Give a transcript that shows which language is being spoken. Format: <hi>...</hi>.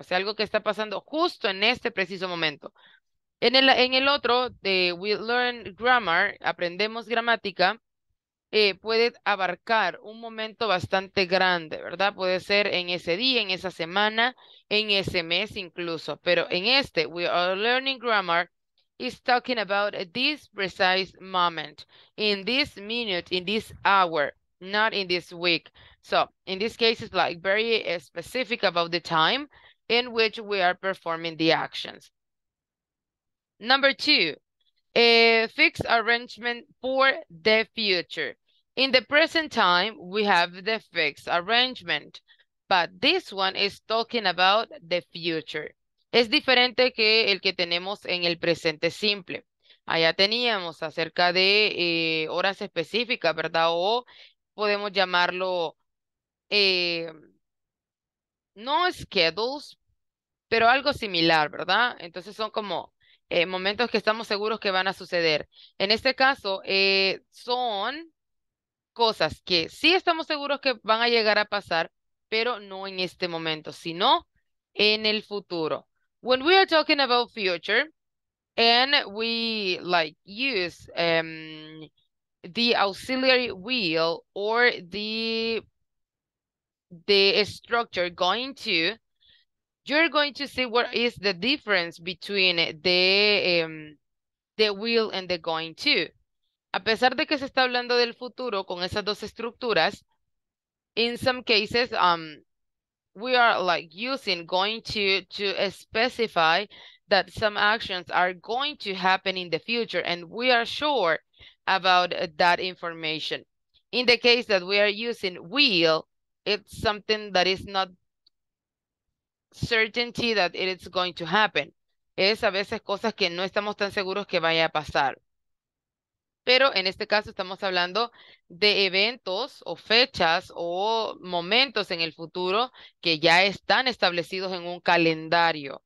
<es>O sea, algo que está pasando justo en este preciso momento. En el otro, de</es> <en>we learn grammar,</en> <es>aprendemos gramática, puede abarcar un momento bastante grande, ¿verdad? Puede ser en ese día, en esa semana, en ese mes incluso. Pero en este,</es> <en>we are learning grammar, is talking about this precise moment, in this minute, in this hour, not in this week. So, in this case, it's like very specific about the time in which we are performing the actions. Number two, a fixed arrangement for the future. In the present time, we have the fixed arrangement, but this one is talking about the future.</en> <es>Es diferente que el que tenemos en el presente simple. Allá teníamos acerca de horas específicas, ¿verdad? O podemos llamarlo no schedules, pero algo similar, ¿verdad? Entonces son como momentos que estamos seguros que van a suceder. En este caso, son cosas que sí estamos seguros que van a llegar a pasar, pero no en este momento, sino en el futuro.</es> <en>When we are talking about future, and we like use the auxiliary will or the structure going to, you're going to see what is the difference between the will and the going to.</en> <es>A pesar de que se está hablando del futuro con esas dos estructuras,</es> <en>in some cases, we are like using going to specify that some actions are going to happen in the future, and we are sure about that information. In the case that we are using will, it's something that is not certainty that it is going to happen.</en> <es>Es a veces cosas que no estamos tan seguros que vaya a pasar. Pero en este caso estamos hablando de eventos o fechas o momentos en el futuro que ya están establecidos en un calendario.</es>